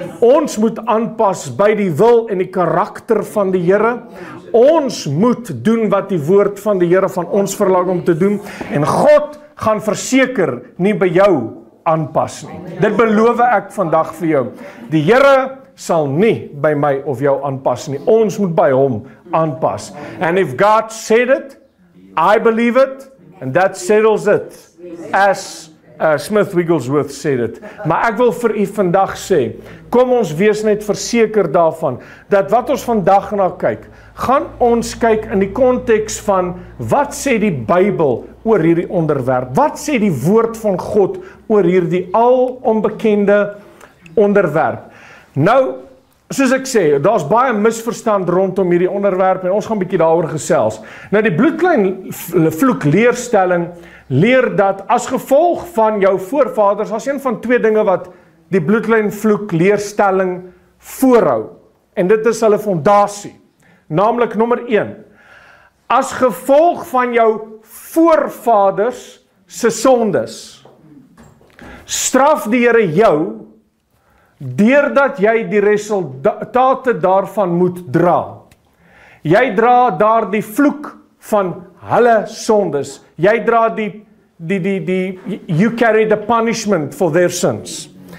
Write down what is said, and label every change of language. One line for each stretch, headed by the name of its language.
Afrikaans: Ons moet aanpas by die wil en die karakter van die Here. Ons moet doen wat die woord van die Here van ons verlang om te doen. En God gaan verseker nie by jou aanpas nie. Dit beloof ek vandag vir jou. Die Here sal nie by my of jou aanpas nie. Ons moet by hom aanpas.
English: And if God said it, I believe it, and that settles it. As Smith Wigglesworth said it.
Afrikaans: Maar ek wil vir u vandag sê, kom ons wees net verseker daarvan, dat wat ons vandag na kyk, gaan ons kyk in die konteks van, wat sê die Bybel oor hierdie onderwerp? Wat sê die woord van God oor hierdie al onbekende onderwerp? Nou, soos ek sê, daar is baie misverstand rondom hierdie onderwerp, en ons gaan bietjie daarover gesels. Nou, die bloedlynvloek leerstelling leer dat as gevolg van jou voorvaders, as een van twee dinge wat die bloedlynvloek leerstelling voorhou, en dit is hulle fondasie, namelijk nummer 1, as gevolg van jou voorvaders se sondes, straf die Here jou, deurdat jy die resultate daarvan moet dra. Jy dra daar die vloek van hulle sondes. Jy dra die
English: you carry the punishment for their sins.